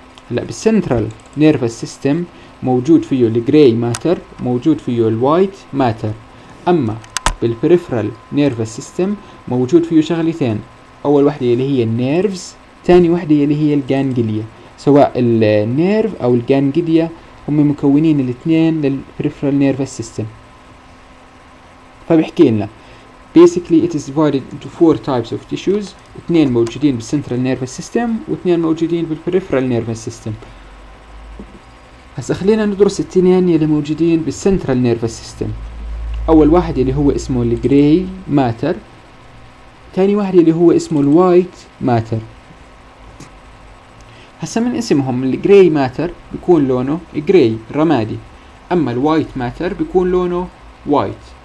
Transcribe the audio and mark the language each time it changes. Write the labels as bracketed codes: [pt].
[ar] هلا بالسنترال نيرفس سيستم موجود فيه الجراي ماتر، موجود فيه الوايت ماتر. اما بالبريفرال نيرفس سيستم موجود فيه شغلتين، اول واحده اللي هي النيرفز، ثاني واحدة اللي هي الجانجليا. سواء النيرف او الجانجليا هم مكونين الاثنين للبريفرال نيرفس سيستم. فبيحكي لنا [en] basically it is divided into four types of tissues، [ar] اثنين موجودين بالcentral nervous system واثنين موجودين بالperipheral nervous system. هسا خلينا ندرس الاثنين اللي موجودين بالcentral nervous system. اول واحد اللي هو اسمه الجراي ماتر، ثاني واحد اللي هو اسمه الوايت ماتر. هسا من اسمهم الجراي ماتر بيكون لونه جراي رمادي، اما الوايت ماتر بيكون لونه وايت.